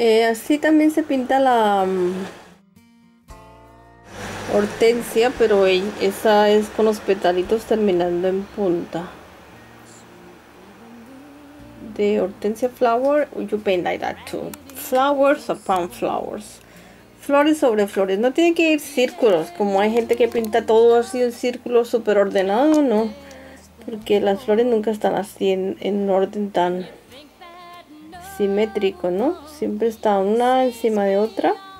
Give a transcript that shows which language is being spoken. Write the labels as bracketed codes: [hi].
[es] Así también se pinta la hortensia, pero esa es con los petalitos terminando en punta. [en] De hortensia flower, you paint like that too. Flowers upon flowers. [es] Flores sobre flores. No tiene que ir círculos, como hay gente que pinta todo así en círculo súper ordenado, no. Porque las flores nunca están así en orden tan simétrico, ¿no? Siempre está una encima de otra.